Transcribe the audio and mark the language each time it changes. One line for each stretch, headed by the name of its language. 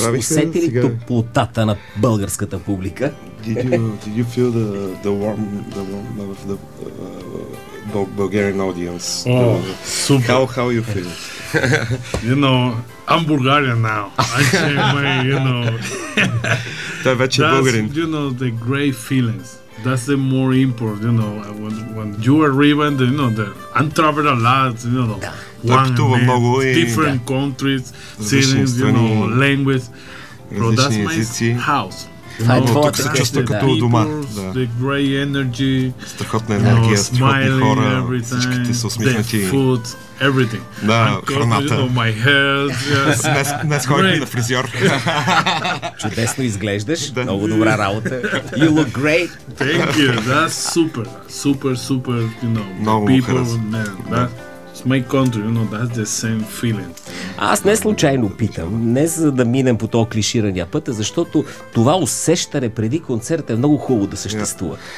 Bulgarian: Усети ли топлотата на българската публика?
English: Did you feel the warm of the Bulgarian audience? Super. How you feel? You know, I'm Bulgarian now. I say my, you know.
Bulgarian: Той вече е българин.
English: You know, the great feelings. That's the more important, you know. When you arrive, and you know, I'm travel a lot, you know.
Bulgarian: Да. Пътува много и
English: different countries, cities, you know, language. Bro, that's my house.
Bulgarian: Тук се чувства като у дома.
English: The great energy.
Bulgarian: Страхотна енергия, страхотни хора, всичките са усмихнати.
English: The food, everything.
Bulgarian: Да, храната.
English: My hair.
Bulgarian: Днес ходих на фризьор. Чудесно изглеждаш. Много добра работа.
English: You look great. Thank you. That's super. Super, super, you know. People, man. It's my country, you know, that's the same feeling.
Bulgarian: Аз не случайно питам, не за да минем по този клиширания път, а защото това усещане преди концерт е много хубаво да съществува.